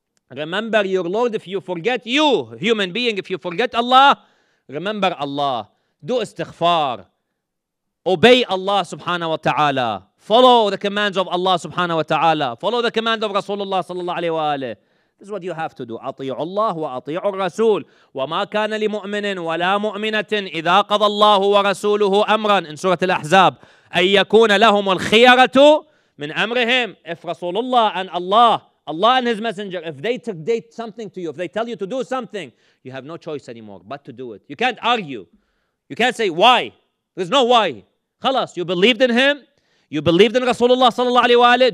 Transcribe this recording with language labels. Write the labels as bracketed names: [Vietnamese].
[English] Remember your Lord if you forget you, human being. If you forget Allah, remember Allah. Do istighfar. Obey Allah subhanahu wa ta'ala. Follow the commands of Allah subhanahu wa ta'ala. Follow the command of Rasulullah sallallahu alayhi wa alayhi. This is what you have to do. [Arabic] أَطِيعُ اللَّهُ وَأَطِيعُ الرَّسُولُ وَمَا كَانَ لِمُؤْمِنٍ وَلَا مُؤْمِنَةٍ إِذَا قَضَى اللَّهُ وَرَسُولُهُ أَمْرًا [English] in Surah Al-Ahzab. [Arabic] أَن يَكُونَ لَهُمُ الْخِيَرَةُ مِنْ أَمْرِهِمْ. [English] If Rasulullah and Allah, Allah and His Messenger, if they dictate something to you, if they tell you to do something, you have no choice anymore but to do it. You can't argue. You can't say why. There's no why. خلاص, you believed in him. You believed in Rasulullah sallallahu alayhi wa alayhi.